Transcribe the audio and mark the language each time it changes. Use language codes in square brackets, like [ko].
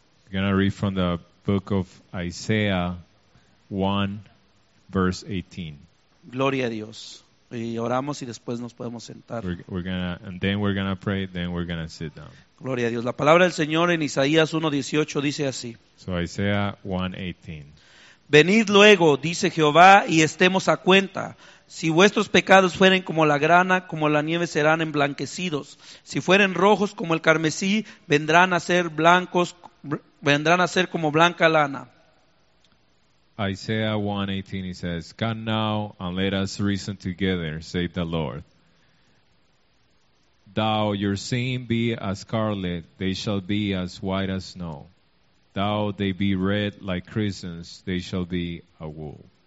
[en] We're going to read from the book of Isaiah 1, verse 18. [es] Gloria a Dios. Y oramos y después nos podemos sentar. [en] We're going to pray, then we're going to sit down. [es] Gloria a Dios. La palabra del Señor en Isaías 1:18 dice así. [en] So Isaiah 1:18. [es] Venid luego, dice Jehová, y estemos a cuenta. Si vuestros pecados fueren como la grana, como la nieve serán emblanquecidos. Si fueren rojos como el carmesí, vendrán a ser blancos, vendrán a ser como blanca lana. [en] Isaiah 1:18 says, "Come now and let us reason together," saith the Lord. Thou your sin be as scarlet, they shall be as white as snow. Thou they be red like crimson, they shall be a wool.